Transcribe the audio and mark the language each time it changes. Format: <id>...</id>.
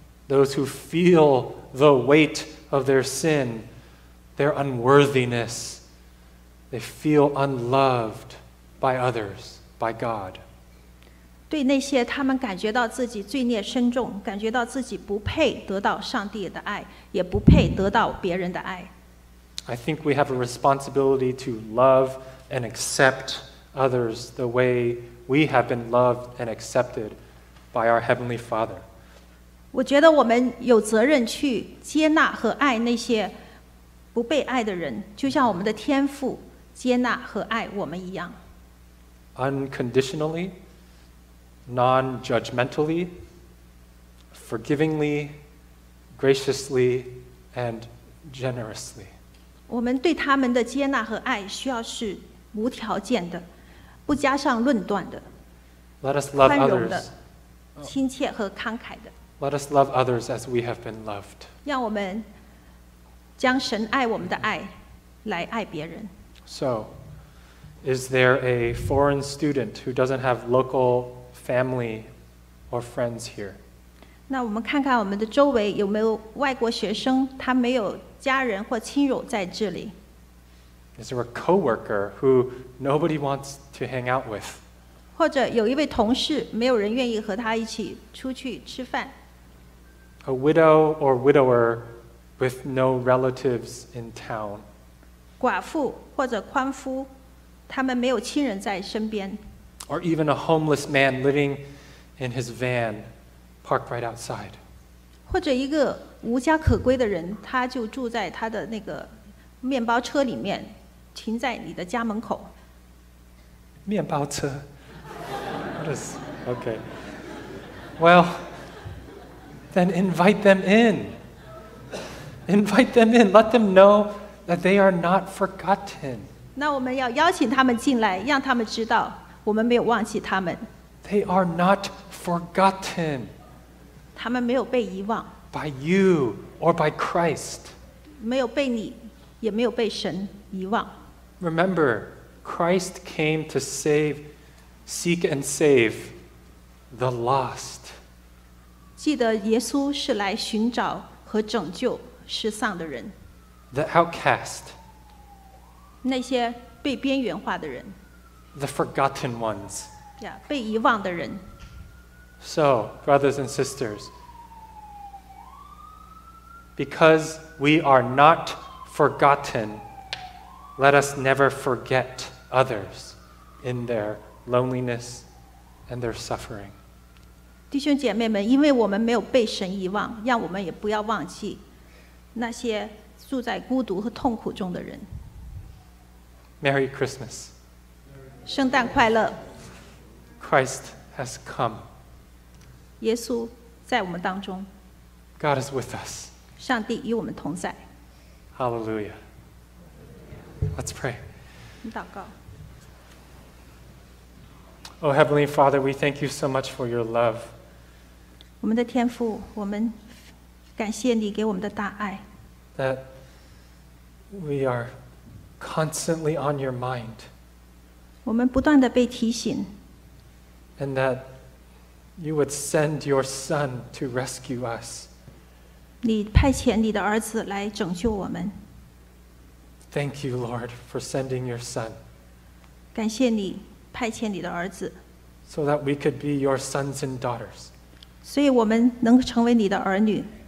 <en>Those who feel the weight of their sin, their unworthiness, they feel unloved by others, by God.</en> <zh>对那些他们感觉到自己罪孽深重，感觉到自己不配得到上帝的爱，也不配得到别人的爱。</zh> <en>I think we have a responsibility to love and accept others the way we have been loved and accepted by our Heavenly Father.</en> <zh>我觉得我们有责任去接纳和爱那些不被爱的人，就像我们的天父接纳和爱我们一样。</zh> <en>Unconditionally, non-judgmentally, forgivingly, graciously, and generously.</en> <zh>我们对他们的接纳和爱需要是无条件的，不加上论断的。</zh> <en>Let us love others.</en> <zh>亲切和慷慨的。</zh> <en>Let us love others as we have been loved.</en> <zh>让我们将神爱我们的爱来爱别人。</zh> <en>So, is there a foreign student who doesn't have local family or friends here?</en> <zh>那我们看看我们的周围有没有外国学生，他没有家人或亲友在这里。</zh> <en>Is there a coworker who nobody wants to hang out with?</en> <zh>或者有一位同事，没有人愿意和他一起出去吃饭。</zh> <en>A widow or widower with no relatives in town.</en> <zh>寡妇或者宽夫，他们没有亲人在身边。</zh> <en>Or even a homeless man living in his van, parked right outside.</en> <zh>或者一个无家可归的人，他就住在他的那个面包车里面，停在你的家门口。</zh> <en>面包车。What is, okay. Well,Then invite them in. Invite them in. Let them know that they are not forgotten.</en> <zh>那我们要邀请他们进来，让他们知道我们没有忘记他们。</zh> <en>They are not forgotten.</en> <zh>他们没有被遗忘。</zh> <en>By you or by Christ.</en> <zh>没有被你，也没有被神遗忘。</zh> <en>Remember, Christ came to save, seek and save the lost.</en> <zh>记得耶稣是来寻找和拯救失丧的人。</zh> <en>The outcast.</en> <zh>那些被边缘化的人。</zh> <en>The forgotten ones.</en> <zh>Yeah, 被遗忘的人。</zh> <en>So, brothers and sisters, because we are not forgotten, let us never forget others in their loneliness and their suffering.</en> <zh>弟兄姐妹们，因为我们没有被神遗忘，让我们也不要忘记那些住在孤独和痛苦中的人。</zh> <en>Merry Christmas.</en> <zh>圣诞快乐。</zh> <en>Christ has come.</en> <zh>耶稣在我们当中。</zh> <en>God is with us.</en> <zh>上帝与我们同在。</zh> <en>Hallelujah. Let's pray.</en> <zh>我们祷告。</zh> <en>Oh, Heavenly Father, we thank you so much for your love.</en> <zh>我们的天父，我们感谢你给我们的大爱。</zh> <en>That we are constantly on your mind.</en> <zh>我们不断地被提醒。</zh> <en>And that you would send your son to rescue us.</en> <zh>你派遣你的儿子来拯救我们。</zh> <en>Thank you, Lord, for sending your son.</en> <zh>感谢你派遣你的儿子。</zh> <en>So that we could be your sons and daughters.</en> <zh>所以我们能成为你的儿女。</zh>